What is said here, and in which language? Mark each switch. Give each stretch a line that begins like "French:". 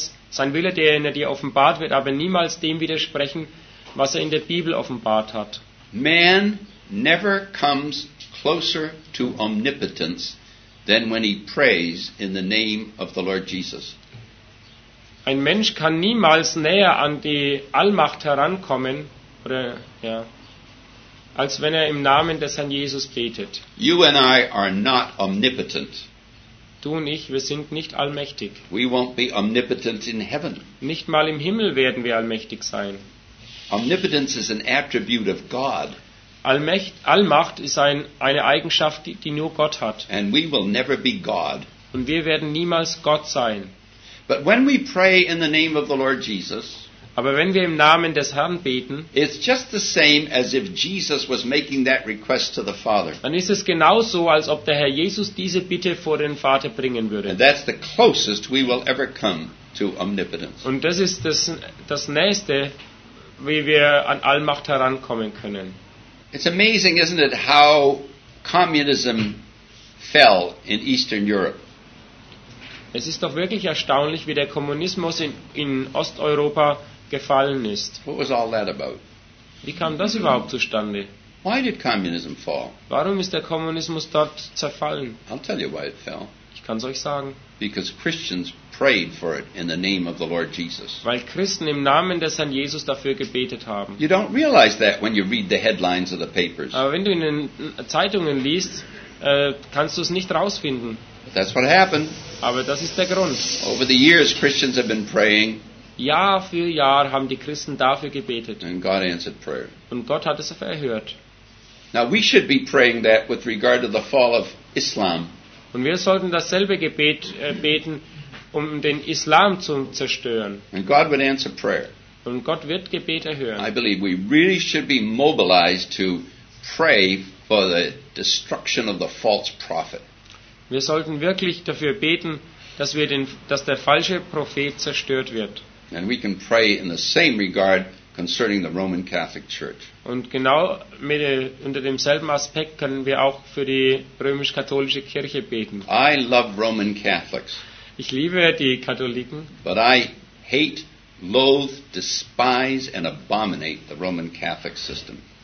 German: Sein Wille, der in dir offenbart, wird aber niemals dem widersprechen, was er in der Bibel offenbart hat.
English: Man never comes closer to omnipotence than when he prays in the name of the Lord Jesus.
German: Ein Mensch kann niemals näher an die Allmacht herankommen, oder ja, als wenn er im Namen des Herrn Jesus betet.
English: You and I are not omnipotent.
German: Du und ich, wir sind nicht allmächtig.
English: We won't be omnipotent in heaven.
German: Nicht mal im Himmel werden wir allmächtig sein.
English: Omnipotence is an attribute of God.
German: Allmacht ist eine Eigenschaft, die nur Gott hat.
English: And we will never be God.
German: Und wir werden niemals Gott sein.
English: But when we pray in the name of the Lord Jesus,
German: aber wenn wir im Namen des Herrn beten,
English: it's just the same as if Jesus was making that request to the Father.
German: Dann ist es genauso, als ob der Herr Jesus diese Bitte vor den Vater bringen würde.
English: And that's the closest we will ever come to omnipotence.
German: Und das ist das Nächste, wie wir an Allmacht herankommen können.
English: It's amazing, isn't it, how communism fell in Eastern Europe.
German: Es ist doch wirklich erstaunlich, wie der Kommunismus in Osteuropa gefallen ist.
English: What was all that about?
German: Wie kam das überhaupt zustande?
English: Why did communism fall?
German: Warum ist der Kommunismus dort zerfallen?
English: I'll tell you why it fell.
German: Ich kann es euch sagen.
English: Because Christians prayed for it in the name of the Lord Jesus.
German: Weil Christen im Namen des Herrn Jesus dafür gebetet haben.
English: You don't realize that when you read the headlines of the papers.
German: Aber wenn du in den Zeitungen liest, kannst du es nicht rausfinden.
English: But that's what happened.
German: Aber das ist der Grund.
English: Over the years, Christians have been praying.
German: Jahr für Jahr haben die Christen dafür gebetet.
English: And God answered prayer.
German: Und Gott hat es erhört.
English: Now we should be praying that with regard to the fall of Islam.
German: Und wir sollten dasselbe Gebet beten, um den Islam zu zerstören.
English: And God would answer prayer.
German: Und Gott wird Gebet erhören.
English: I believe we really should be mobilized to pray for the destruction of the false prophet.
German: Wir sollten wirklich dafür beten, dass wir den, dass der falsche Prophet zerstört wird.
English: And we can pray in the same regard concerning the Roman Catholic Church.
German: Und genau mit, unter demselben Aspekt können wir auch für die römisch-katholische Kirche beten.
English: I love Roman Catholics.
German: Ich liebe die Katholiken.
English: But I hate, loathe, despise and abominate the Roman Catholic system.